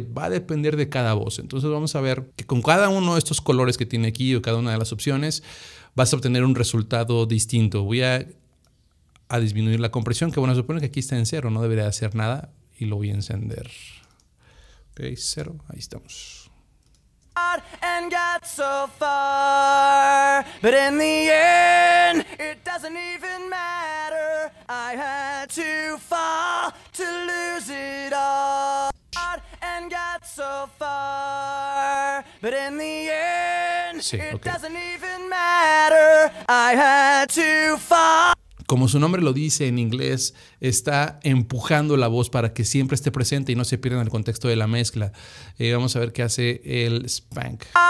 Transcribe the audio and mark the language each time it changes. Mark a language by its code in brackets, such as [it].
[es] Va a depender de cada voz. Entonces vamos a ver que con cada uno de estos colores que tiene aquí, o cada una de las opciones, vas a obtener un resultado distinto. Voy a disminuir la compresión, que bueno, supone que aquí está en cero, no debería hacer nada, y lo voy a encender. Ok, cero, ahí estamos. [en] And got so far, but in the end, it doesn't even matter. I had to fall to lose it all. And got so far, but in the end, it doesn't even matter. I had to fall. [es] Como su nombre lo dice en inglés, está empujando la voz para que siempre esté presente y no se pierda en el contexto de la mezcla. Vamos a ver qué hace el spank.